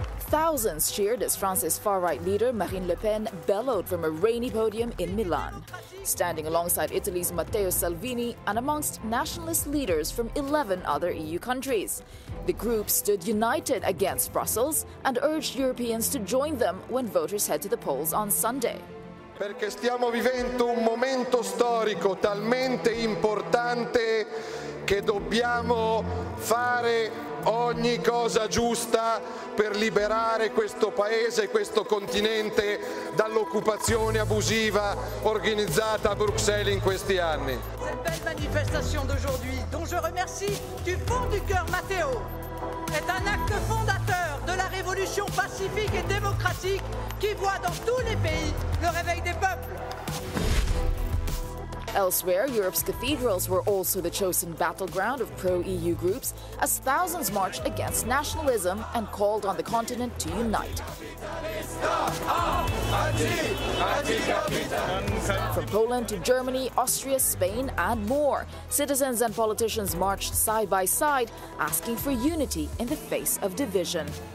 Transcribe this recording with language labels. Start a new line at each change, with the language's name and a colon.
English: Thousands cheered as France's far-right leader Marine Le Pen bellowed from a rainy podium in Milan, standing alongside Italy's Matteo Salvini and amongst nationalist leaders from 11 other EU countries. The group stood united against Brussels and urged Europeans to join them when voters head to the polls on Sunday.
Italian: Perché stiamo vivendo un momento storico talmente importante che dobbiamo fare ogni cosa giusta per liberare questo paese, questo continente dall'occupazione abusiva organizzata a Bruxelles in questi anni.
French: Cette belle manifestation d'aujourd'hui, dont je remercie du fond du cœur Matteo, est un acte fondateur de la révolution pacifique et démocratique qui voit dans tous les pays le réveil des peuples.
English: Elsewhere, Europe's cathedrals were also the chosen battleground of pro-EU groups as thousands marched against nationalism and called on the continent to unite. From Poland to Germany, Austria, Spain and more, citizens and politicians marched side by side, asking for unity in the face of division.